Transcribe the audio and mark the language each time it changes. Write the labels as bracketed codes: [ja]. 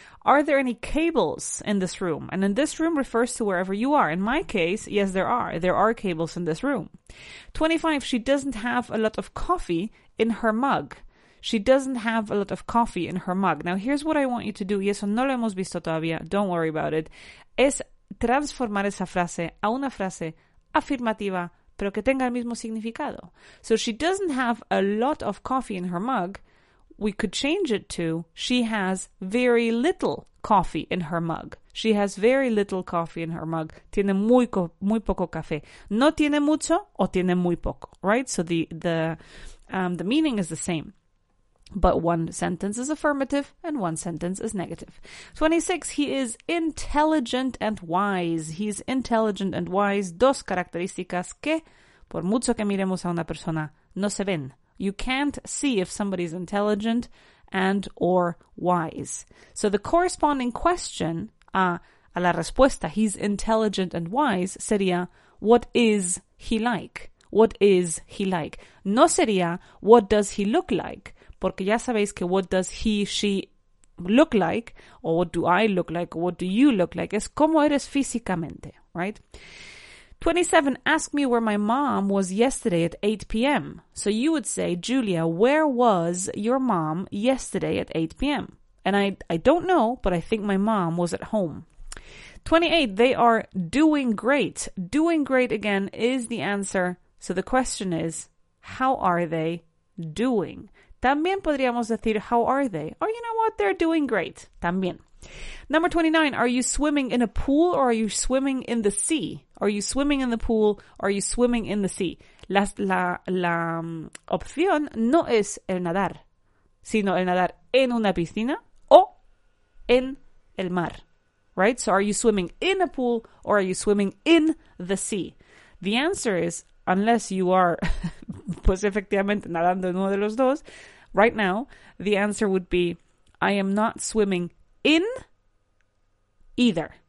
[en] Are there any cables in this room? And in this room refers to wherever you are. In my case, yes, there are. There are cables in this room. 25, she doesn't have a lot of coffee in her mug. She doesn't have a lot of coffee in her mug. Now, here's what I want you to do. [es] Y eso no lo hemos visto todavía. [en] Don't worry about it. [es] Es transformar esa frase a una frase afirmativa, pero que tenga el mismo significado. [en] So, she doesn't have a lot of coffee in her mug. We could change it to, she has very little coffee in her mug. She has very little coffee in her mug. [es] Tiene muy poco café. No tiene mucho o tiene muy poco, right? [en] So, the meaning is the same. But one sentence is affirmative and one sentence is negative. 26, he is intelligent and wise. He is intelligent and wise. [es] Dos características que, por mucho que miremos a una persona, no se ven. [en] You can't see if somebody is intelligent and or wise. So the corresponding question [es] a la respuesta, [en] he's intelligent and wise, [es] sería, [en] what is he like? What is he like? [es] No sería, [en] what does he look like? [es] Porque ya sabéis que [en] what does he, she look like, or what do I look like, or what do you look like, [es] es como eres físicamente, [en] right? 27, ask me where my mom was yesterday at 8 p.m. So you would say, Julia, where was your mom yesterday at 8 p.m.? And I don't know, but I think my mom was at home. 28, they are doing great. Doing great, again, is the answer. So the question is, how are they doing? [es] También podríamos decir, [en] how are they? Or you know what? They're doing great. [es] También. [en] Number 29, are you swimming in a pool or are you swimming in the sea? Are you swimming in the pool or are you swimming in the sea? [es] La opción no es el nadar, sino el nadar en una piscina o en el mar. [en] Right? So are you swimming in a pool or are you swimming in the sea? The answer is, unless you are, [es] pues efectivamente, nadando en uno de los dos, [en] right now, the answer would be, I am not swimming in either.